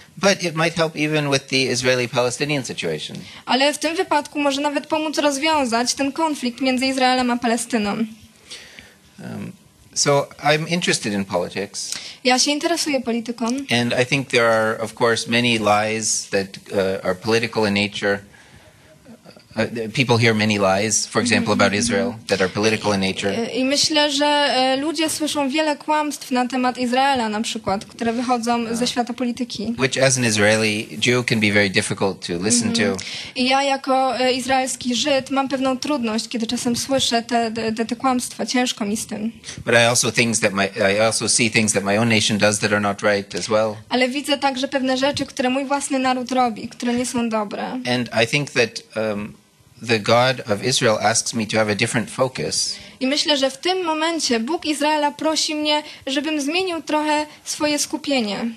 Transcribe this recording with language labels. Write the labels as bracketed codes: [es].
[en] But it might help even with the Israeli-Palestinian situation. [pl] Ale w tym wypadku może nawet pomóc rozwiązać ten konflikt między Izraelem a Palestyną. [en] So I'm interested in politics. [pl] Ja się interesuję polityką. [en] And I think there are of course many lies that are political in nature. People hear many lies, for example about Israel that are political in nature. [pl] I myślę, że ludzie słyszą wiele kłamstw na temat Izraela na przykład, które wychodzą ze świata polityki. [en] Which as an Israeli Jew can be very difficult to listen to. [pl] I ja jako izraelski Żyd mam pewną trudność, kiedy czasem słyszę te kłamstwa, ciężko mi z tym. [en] But I also see things that my own nation does that are not right as well. [pl] Ale widzę także pewne rzeczy, które mój własny naród robi, które nie są dobre. [en] And I think that the God of Israel asks me to have a different focus. [pl] I myślę, że w tym momencie Bóg Izraela prosi mnie, żebym zmienił trochę swoje skupienie.